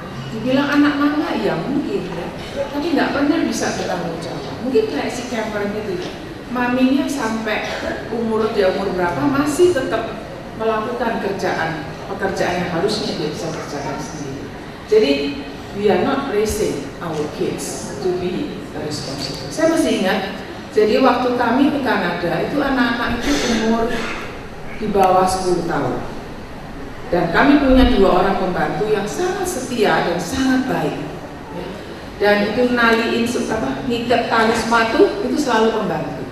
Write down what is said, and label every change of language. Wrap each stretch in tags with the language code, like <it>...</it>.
<id>Dibilang anak mana? Ya mungkin ya. Tapi nggak pernah bisa bertanggung jawab. Mungkin kayak si Cameron itu ya. Maminya sampai umur berapa masih tetap melakukan pekerjaan yang harusnya dia bisa kerjakan sendiri.</id> <en>Jadi we are not raising our kids to be responsible.</en> <id>Saya masih ingat, jadi waktu kami di Kanada itu anak-anak itu umur di bawah 10 tahun. Dan kami punya dua orang pembantu yang sangat setia dan sangat baik. Dan itu naliin apa ngikat tali sepatu itu selalu pembantu.</id>